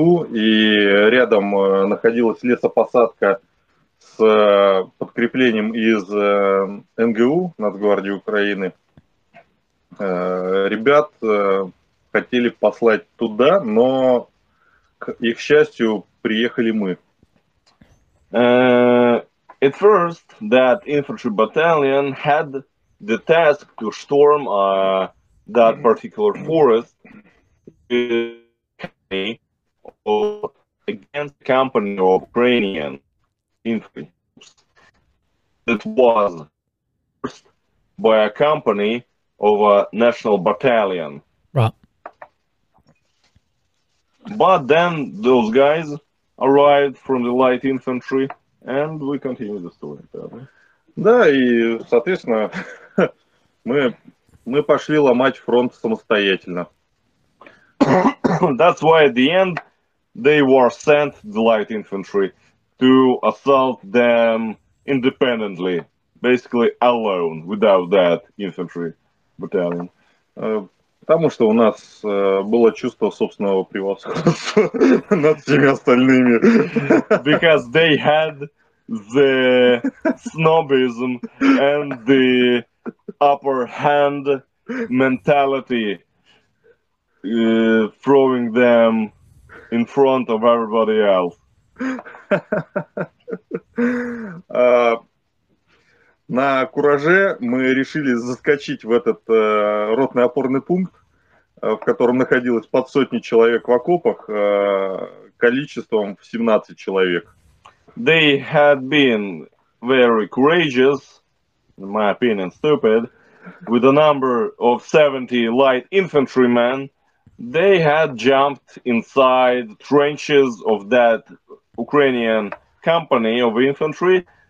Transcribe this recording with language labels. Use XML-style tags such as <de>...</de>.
<ru>и рядом находилась лесопосадка с подкреплением из НГУ, Нацгвардии Украины, ребят хотели послать туда, но, к их счастью, приехали мы.</ru> <en>At first, that infantry battalion had the task to storm that particular forest against the company of Ukrainian infantry that was forced by a company of a national battalion. Right. But then those guys arrived from the light infantry and we continue the story.</en> <ru>Да, и, соответственно, мы пошли ломать фронт самостоятельно.</ru> <en>That's why at the end they were sent the light infantry to assault them independently, basically alone, without that infantry battalion.</en> <ru>Потому что у нас было чувство собственного превосходства над всеми остальными.</ru> <en>Because they had the snobism and the upper hand mentality, throwing them in front of everybody else.</en> <ru>На кураже мы решили заскочить в этот ротный опорный пункт, в котором находилось под сотни человек в окопах, количеством в 17 человек.</ru> <en>They had been very courageous, in my opinion, stupid, with a number of 70 light infantrymen. They had jumped inside trenches of that Ukrainian company of infantry.</en>